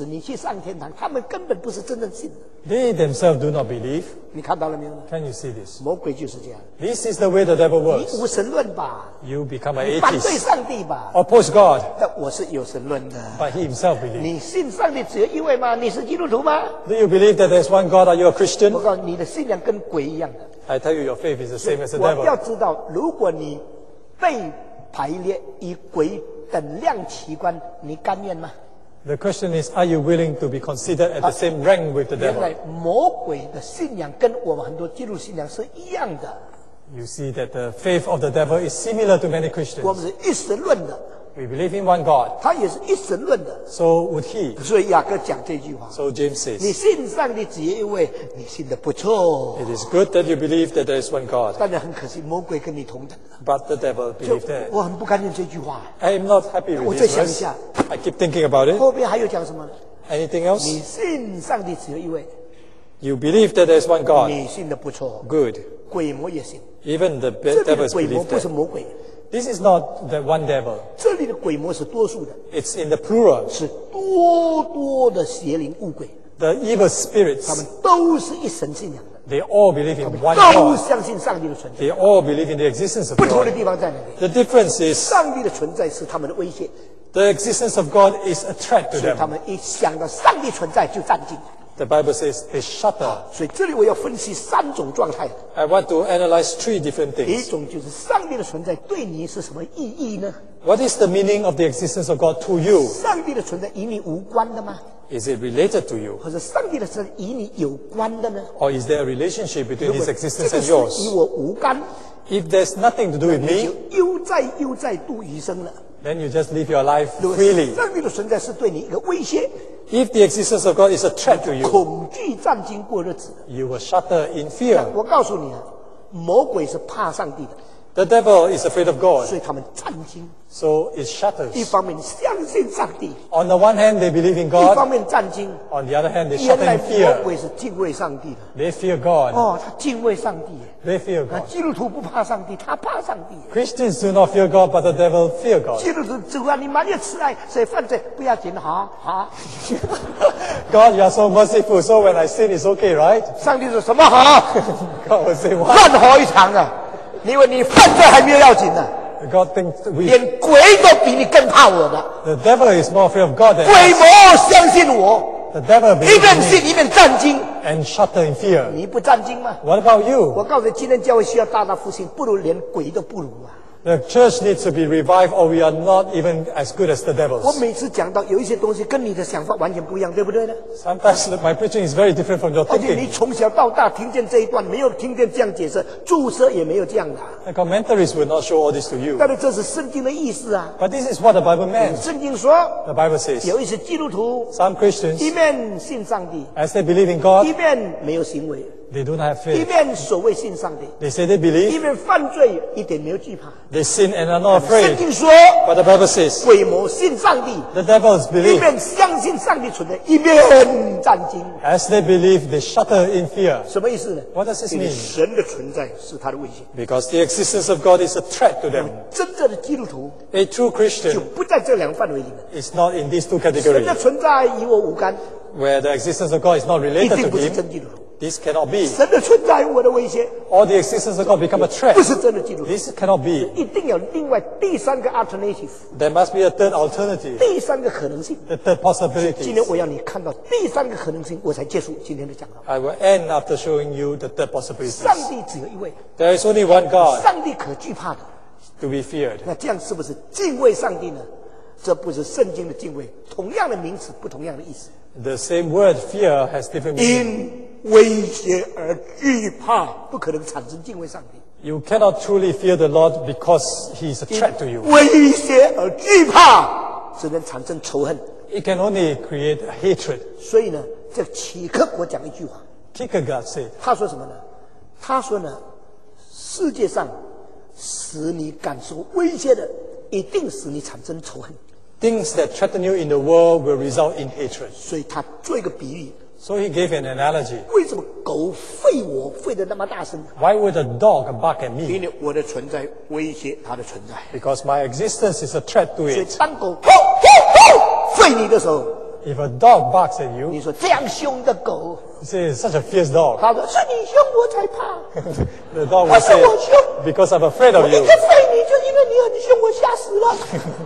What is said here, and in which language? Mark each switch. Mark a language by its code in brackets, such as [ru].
[zh] 他们自己的孩子都不死，叫别人的孩子去死，你去上天堂，他们根本不是真正信。 [en] They themselves do not believe. [zh] 你看到了没有？ [en] Can you see this? [zh] 魔鬼就是这样。 [en] This is the way the devil works. [zh] 你无神论吧？ [en] You become an atheist. [zh] 反对上帝吧？ [en] Oppose God. [zh] 我是有神论的。 [en] But he himself believes. [zh] 你信上帝只有一位吗？你是基督徒吗？ [en] Do you believe that there's one God? Are you a Christian? [zh] 我告诉你，你的信仰跟鬼一样的。 [en] I tell you, your faith is the same as the devil. [zh] 我要知道，如果你被排列以鬼等量器官，你甘愿吗？ [en] The question is, are you willing to be considered at the same rank with the devil? [zh] 原来魔鬼的信仰跟我们很多基督信仰是一样的。 [en] You see that the faith of the devil is similar to many Christians. [zh] 我们是一神论的。 [en] We believe in one God. [zh] 他也是一神论的。 [en] So would he. [zh] 所以雅各讲这句话。 [en] So James says. [zh] 你信上帝只有一位, 你信得不错。 [en] It is good that you believe that there is one God. [zh] 但是很可惜，魔鬼跟你同等。 [en] But the devil believed that. [zh] 我很不甘愿这句话。 [en] I am not happy with this. [zh] 我再想一下。 [en] I keep thinking about it. [zh] 后面还有讲什么呢? [en] Anything else? [zh] 你信上帝只有一位。 [en] You believe that there is one God. [zh] 你信得不错。 [en] Good. [zh] 鬼魔也信。 [en] Even the devils believe that. [zh] 这里的鬼魔不是魔鬼。 [en] This is not the one devil. [zh] 这里的鬼魔是多数的。 [en] It's in the plural. [zh] 是多多的邪灵物鬼。 [en] The evil spirits. [zh] 他们都是一神信仰的。 [en] They all believe in one God. [zh] 都相信上帝的存在。 [en] They all believe in the existence of God. [zh] 不同的地方在哪里？ [en] The difference is. [zh] 上帝的存在是他们的威胁。 [en] The existence of God is a threat to them. [zh] 所以他们一想到上帝存在就战惊。 [en] The Bible says they shudder. [zh] 所以这里我要分析三种状态。 [en] I want to analyze three different things. [zh] 一种就是上帝的存在对你是什么意义呢？ [en] What is the meaning of the existence of God to you? [zh] 上帝的存在与你无关的吗？ [en] Is it related to you? [zh] 或者上帝的存在与你有关的呢？ [en] Or is there a relationship between his existence and yours? [zh] 如果这个是与我无关， [en] If there's nothing to do with me, [zh] 你就悠哉悠哉度余生了。 [en] Then you just live your life freely. [zh] 上帝的存在是对你一个威胁。 [en] If the existence of God is a threat to you, [zh] 恐惧战惊过日子。 [en] You will shudder in fear. [zh] 我告诉你啊，魔鬼是怕上帝的。 [en] The devil is afraid of God. [zh] 所以他们战惊。 [en] So it shatters. [zh] 一方面相信上帝。 [en] On the one hand, they believe in God. [zh] 一方面战惊。 [en] On the other hand, they shatter in fear. [zh] 原来魔鬼是敬畏上帝的。 [en] They fear God. [zh] 哦，他敬畏上帝。 [en] They fear God. [zh] 基督徒不怕上帝，他怕上帝。 [en] Christians do not fear God, but the devil fear God. [zh] 基督徒主啊，你满有慈爱，所以犯罪不要紧，哈哈。 [en] God, you are so merciful. So when I sin, it's okay, right? [zh] 上帝说什么哈 [en] ？God will say what? [zh] 战火一场啊！因为你犯罪还没有要紧呢、 [en] 啊、God thinks we, [zh] 连鬼都比你更怕我的 [en] The devil is more afraid of God than [zh] 鬼魔相信我 [en] The devil [zh] 一边信一边战惊 [en] And shudder in fear [zh] 你不战惊吗 [en] What about you? [zh] 我告诉你今天教会需要大大复兴不如连鬼都不如啊 [en] The church needs to be revived or we are not even as good as the devils [zh] 我每次讲到有一些东西跟你的想法完全不一样对不对呢 [en] Sometimes my preaching is very different from your thinking [zh] 而且你从小到大听见这一段没有听见这样解释注释也没有这样的 [en] The commentaries will not show all this to you [zh] 但是这是圣经的意思啊 [en] But this is what the Bible meant [zh] 圣经说 [en] The Bible says [zh] 有一些基督徒 [en] Some Christians [zh] 一面信上帝 [en] As they believe in God [zh] 一面没有行为 [en] They don't have faith. [zh] 一面所谓信上帝 [en] They say they believe. [zh] 一面犯罪一点没有惧怕 [en] They sin and are not afraid. [zh] 圣经说 [en] But the Bible says. [zh] 鬼魔信上帝 [en] The devils believe. [zh] 一面相信上帝存在一面战惊 [en] As they believe, they shudder in fear. [zh] 什么意思呢 [en] What does this mean? [zh] 神的存在是他的威胁 [en] Because the existence of God is a threat to them. [zh] 真正的基督徒 [en] A true Christian. [zh] 就不在这两范围里面 [en] It's not in these two categories. [zh] 神的存在与我无干 [en] Where the existence of God is not related to him. [zh] 一定不是真基督徒 [en] This cannot be. [zh] 神的存在我的威胁。 [en] All the existence of God become a threat. [zh] 不是真的基督徒。 [en] This cannot be. [zh] 一定要另外第三个 alternative. [en] There must be a third alternative. [zh] 第三个可能性。 [en] The third possibility. [zh] 今天我要你看到第三个可能性，我才结束今天的讲道。 [en] I will end after showing you the third possibility. [zh] 上帝只有一位。 [en] There is only one God. [zh] 上帝可惧怕的。 [en] To be feared. [zh] 那这样是不是敬畏上帝呢？这不是圣经的敬畏，同样的名词，不同样的意思。 [en] The same word fear has different meaning. [zh] 威胁而惧怕，不可能产生敬畏上帝。 [en] You cannot truly fear the Lord because He is a threat to you. [zh] 威胁而惧怕，只能产生仇恨。 [en] It can only create hatred. [zh] 所以呢，这启克国讲一句话。 [en] Kierkegaard said. [zh] 他说什么呢？他说呢，世界上使你感受威胁的，一定使你产生仇恨。 [en] Things that threaten you in the world will result in hatred. [zh] 所以他做一个比喻。 [en] So he gave an analogy. [zh] 为什么狗吠我吠得那么大声 [en] Why would a dog bark at me? [zh] 因为我的存在威胁它的存在 [en] Because my existence is a threat to it. [zh] 所以当狗吼吼吼吠你的时候 [en] If a dog barks at you, [zh] 你说这样凶的狗 [en] You say it's such a fierce dog. [zh] 他说是你凶我才怕 [en] The dog would say, [zh] 他说我凶 [en] Because I'm afraid of you. [zh] 我一直吠你就因为你很凶我吓死了